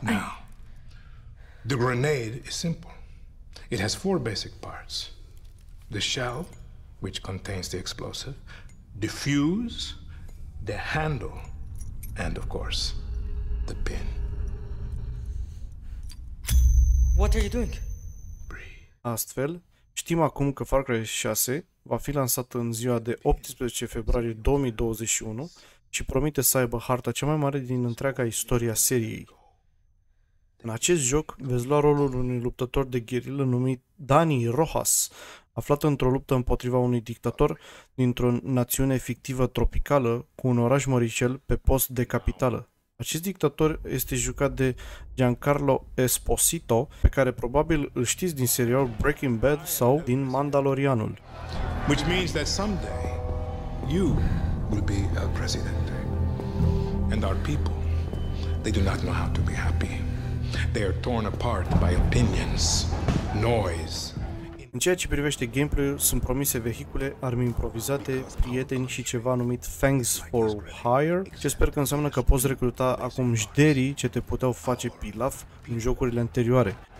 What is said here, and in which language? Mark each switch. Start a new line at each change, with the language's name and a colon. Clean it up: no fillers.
English: Now, the grenade is simple. It has four basic parts. The shell, which contains the explosive, the fuse, the handle, and of course, the pin. What are you doing? Breathe.
Romanian: Astfel, știm acum că Far Cry 6 va fi lansat în ziua de 18 februarie 2021 și promite să aibă harta cea mai mare din întreaga istoria seriei. În acest joc veți lua rolul unui luptător de gherilă numit Dani Rojas, aflat într-o luptă împotriva unui dictator dintr-o națiune fictivă tropicală cu un oraș măricel pe post de capitală. Acest dictator este jucat de Giancarlo Esposito, pe care probabil îl știți din serialul Breaking Bad sau din Mandalorianul.
English: Which means that someday you will be a president. And our people, they do not know how to be happy. They are torn apart by opinions, noise.
Romanian: În ceea ce privește gameplay-ul, sunt promise vehicule, arme improvizate, prieteni și ceva numit Fangs for Hire, ce sper că înseamnă că poți recruta acum jderii ce te puteau face pilaf în jocurile anterioare.